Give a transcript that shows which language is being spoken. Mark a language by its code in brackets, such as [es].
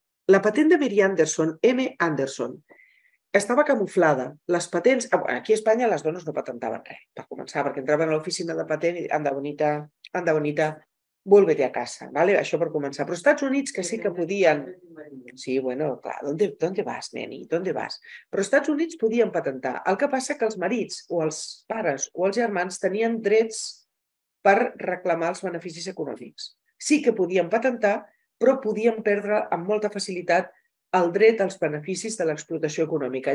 [ca] La patent de Mary Anderson, M. Anderson, estava camuflada. Les patents... Aquí a Espanya les dones no patentaven res, per començar, perquè entraven a l'oficina de patent i [es] anda bonita, vuelve-te a casa, [ca] ¿vale? Això per començar. Però als Estats Units, que sí que podien... [es] Sí, bueno, clar, ¿dónde vas, neni? ¿Dónde vas? [ca] Però als Estats Units podien patentar. El que passa que els marits o els pares o els germans tenien drets per reclamar els beneficis econòmics. Sí que podien patentar, però podien perdre amb molta facilitat el dret als beneficis de l'explotació econòmica.